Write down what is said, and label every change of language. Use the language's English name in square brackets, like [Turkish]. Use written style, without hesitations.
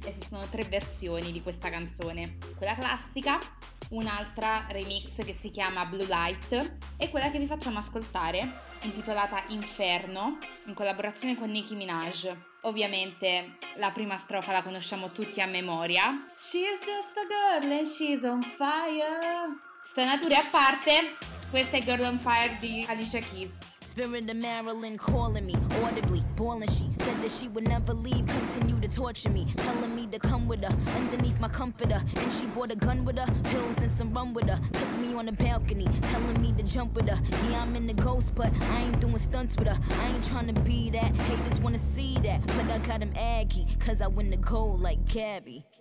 [Italian] Esistono tre versioni di questa canzone: quella classica, un'altra remix che si chiama Blue Light e quella che vi facciamo ascoltare, intitolata Inferno, in collaborazione con Nicki Minaj. Ovviamente la prima strofa la conosciamo tutti a memoria. [English] She's just a girl and she's on fire. [Italian] Stonature a parte, questa è Girl on Fire di Alicia Keys. [English] Spirit of Marilyn calling me, audibly, bawling she, said that she would never leave, continue to torture me, telling me to come with her, underneath my comforter, and she brought a gun with her, pills and some rum with her, took me on the balcony, telling me to jump with her, yeah I'm in the ghost, but I ain't doing stunts with her, I ain't trying to be that, haters wanna see that, but I got him aggy, cause I win the gold like Gabby.